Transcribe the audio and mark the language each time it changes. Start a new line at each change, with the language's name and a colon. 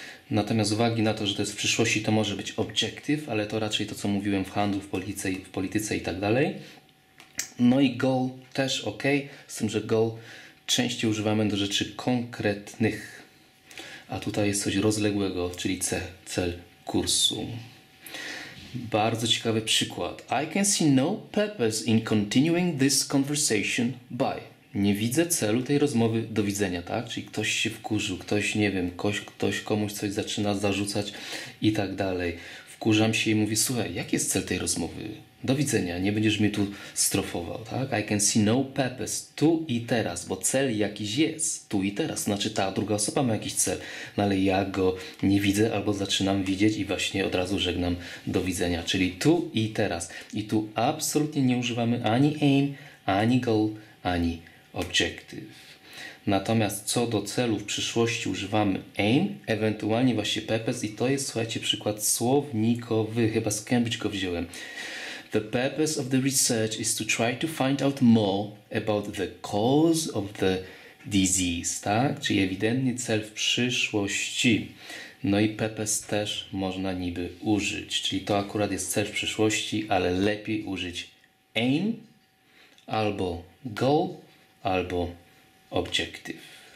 Polish: Natomiast uwagi na to, że to jest w przyszłości, to może być objective, ale to raczej to, co mówiłem w handlu, w polityce i tak dalej. No i goal też ok, z tym, że goal częściej używamy do rzeczy konkretnych. A tutaj jest coś rozległego, czyli cel kursu. Bardzo ciekawy przykład.
English: I can see no purpose in continuing this conversation by.
Polish: Nie widzę celu tej rozmowy, do widzenia, tak? Czyli ktoś się wkurzył, ktoś, nie wiem, ktoś komuś coś zaczyna zarzucać i tak dalej. Wkurzam się i mówię, słuchaj, jaki jest cel tej rozmowy? Do widzenia, nie będziesz mnie tu strofował, tak?
English: I can see no purpose
Polish: tu i teraz, bo cel jakiś jest tu i teraz. Znaczy ta druga osoba ma jakiś cel, no ale ja go nie widzę albo zaczynam widzieć i właśnie od razu żegnam, do widzenia. Czyli tu i teraz. I tu absolutnie nie używamy ani aim, ani goal, ani objective. Natomiast co do celu w przyszłości używamy aim, ewentualnie właśnie purpose i to jest, słuchajcie, przykład słownikowy, chyba z Cambridge go wziąłem.
English: The purpose of the research is to try to find out more about the cause of the disease, tak?
Polish: Czyli ewidentny cel w przyszłości. No i purpose też można niby użyć, czyli to akurat jest cel w przyszłości, ale lepiej użyć aim albo goal, albo objective.